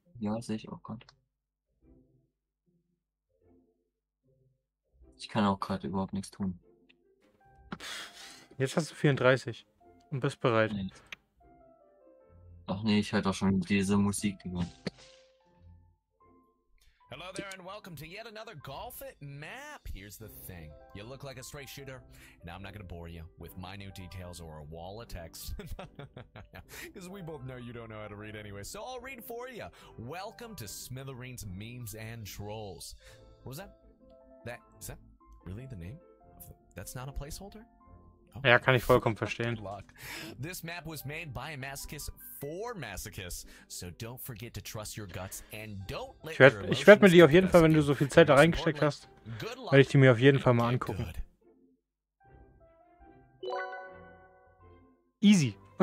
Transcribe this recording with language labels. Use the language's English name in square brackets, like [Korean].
[German] Ja, sehe ich auch gerade. Ich kann auch gerade überhaupt nichts tun. Jetzt hast du 34 und bist bereit. Nee. Ach nee, ich hätte auch schon diese Musik gehört. [English] Hello there and welcome to yet another Golf It map. Here's the thing. You look like a straight shooter. Now I'm not going to bore you with minute details or a wall of text. Because we both know you don't know how to read anyway. So I'll read for you. Welcome to Smithereens Memes and Trolls. What was that? That is that really the name? That's not a placeholder? [German] Oh. Ja, kann ich vollkommen verstehen. [English] This map was made by a masochist for masochists, so don't forget to trust your guts and don't let your emotions. [German] Ich werde mir die auf jeden Fall, wenn du so viel Zeit da reingesteckt hast, werde ich die mir auf jeden Fall mal angucken. [English] Easy.